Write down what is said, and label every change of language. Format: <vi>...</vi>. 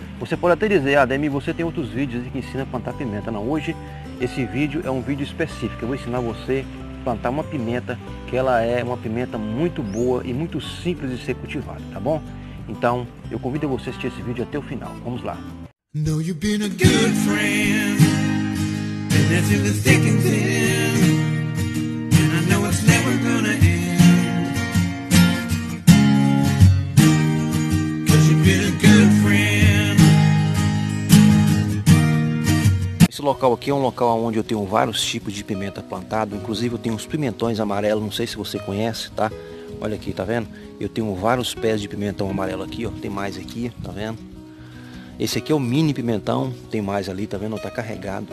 <pt>Você pode até dizer, ah, Demi, você tem outros vídeos que ensina a plantar pimenta. Não, hoje esse vídeo é um vídeo específico. Eu vou ensinar você a plantar uma pimenta, que ela é uma pimenta muito boa e muito simples de ser cultivada, tá bom? Então, eu convido você a assistir esse vídeo até o final. Vamos lá.</pt> <en>Know you've been a good friend, and that's in the thick and thin. And I know it's never gonna end. Cause you've been a good friend.</en> <pt>Esse local aqui é um local onde eu tenho vários tipos de pimenta plantado. Inclusive, eu tenho uns pimentões amarelos, não sei se você conhece, tá? Olha aqui, tá vendo? Eu tenho vários pés de pimentão amarelo aqui, ó. Tem mais aqui, tá vendo? Esse aqui é o mini pimentão. Tem mais ali, tá vendo? Tá carregado.</pt>